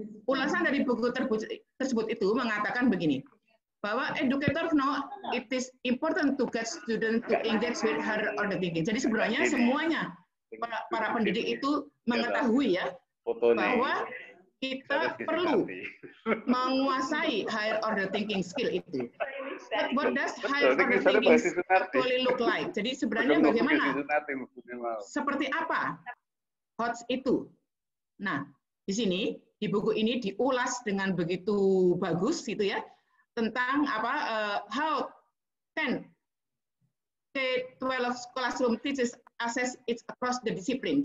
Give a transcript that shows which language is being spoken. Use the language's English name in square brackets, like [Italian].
[Indonesian] Ulasan dari buku tersebut itu mengatakan begini, bahwa [English] educator know it is important to get student to engage with higher order thinking. [Indonesian] Jadi sebenarnya semuanya para pendidik itu mengetahui, ya, bahwa kita perlu menguasai higher order thinking skill itu. [English] But what does higher order thinking actually look like? [Indonesian] Jadi sebenarnya bagaimana? Seperti apa HOTS itu? Nah, di sini, di buku ini diulas dengan begitu bagus gitu, ya, tentang apa [English] how can K-12 classroom teachers assess it across the discipline.